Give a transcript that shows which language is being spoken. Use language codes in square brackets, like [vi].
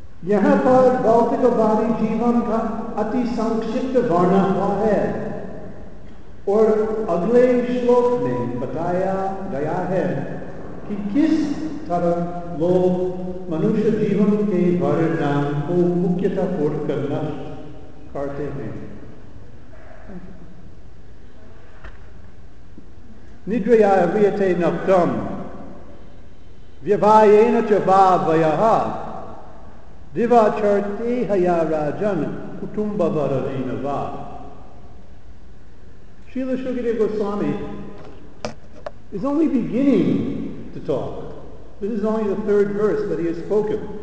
[hi] यहां पर भौतिकवादी जीवन का अति संक्षिप्त वर्णन है और अगले श्लोक में बताया गया है कि किस तरह लोग मनुष्य जीवन के वर्णन को मुख्यतः पूर्ण करना करते हैं। [sa] निद्रया व्रियते नक्तम् व्यवायेन च वावयः दिवाचर्तेहया राजन् कुटुम्बवरदेन वा। [en] Srila Shukadeva Goswami is only beginning to talk. This is only the third verse that he has spoken.